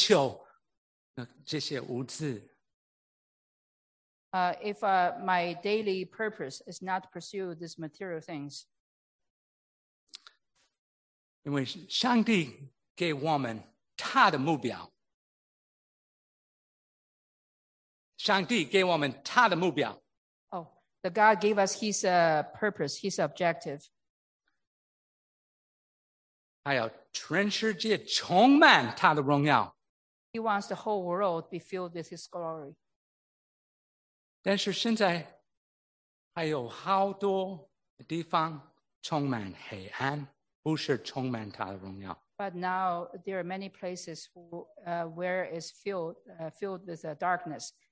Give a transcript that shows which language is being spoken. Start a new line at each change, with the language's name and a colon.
Chinese: 因为如果我的日常生活的目的不是追求这些物质,
English: if my daily purpose is not to pursue these material things,
Chinese: 因为上帝给我们他的目标, 上帝给我们他的目标。
English: Oh, the God gave us his purpose, his objective.
Chinese: 还有全世界充满他的荣耀。
English: He wants the whole world be filled with his glory.
Chinese: 但是现在还有好多地方充满黑暗，不是充满他的荣耀。
English: But now there are many places where it's filled with darkness.